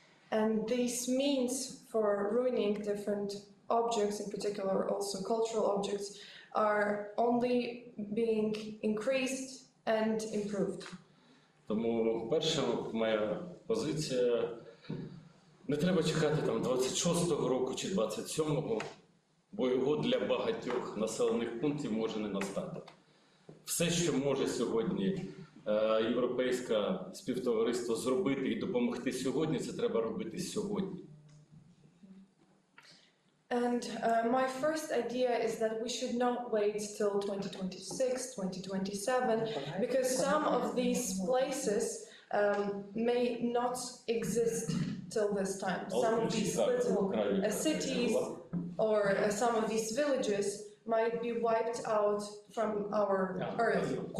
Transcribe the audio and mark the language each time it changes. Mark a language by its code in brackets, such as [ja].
[en] And these means for ruining different objects, in particular also cultural objects, are only being increased and improved. [uk] Тому перша моя позиція: не треба чекати там 26-го року чи 27-го, бо його для багатьох населених пунктів може не настати. Все, що може сьогодні європейське співтовариство зробити і допомогти сьогодні, це треба робити сьогодні. [en] And my first idea is that we should not wait till 2026, 2027, because some of these places may not exist till this time. Some of these little cities or some of these villages might be wiped out from our earth.